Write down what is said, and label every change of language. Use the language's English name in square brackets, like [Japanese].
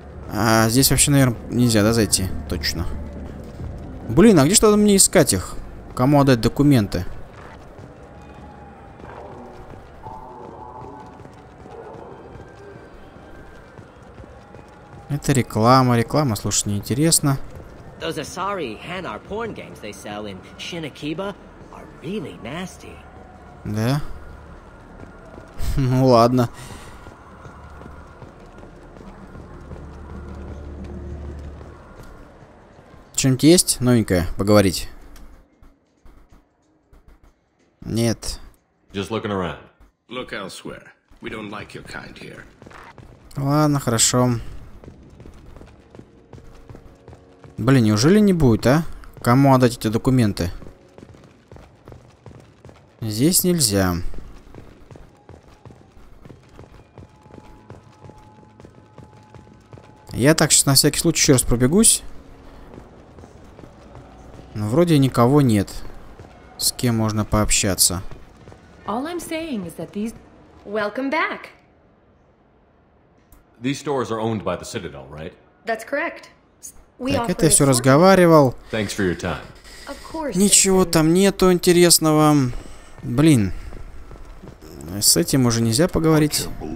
[Russian] А здесь вообще, наверное, нельзя, да, зайти? Точно. Блин, а где что-то мне искать их? Кому отдать документы? Это реклама, реклама, слушай, неинтересно. [English] Those Asari Hanar porn games they sell in Shinakiba are really nasty. [Russian] Да? Ну ладно. Что-нибудь есть новенькое поговорить? Нет. [English] Just looking around. Look elsewhere. We don't like your kind here. [Russian] Ладно, хорошо. Блин, неужели не будет, а? Кому отдать эти документы? Здесь нельзя. Я так сейчас на всякий случай еще раз пробегусь. Но вроде никого нет, с кем можно пообщаться. [English] All I'm saying is that these... Welcome back. These stores are owned by the Citadel, right? That's correct. [Russian] Так, это я все разговаривал. Ничего там нету интересного. Блин. С этим уже нельзя поговорить.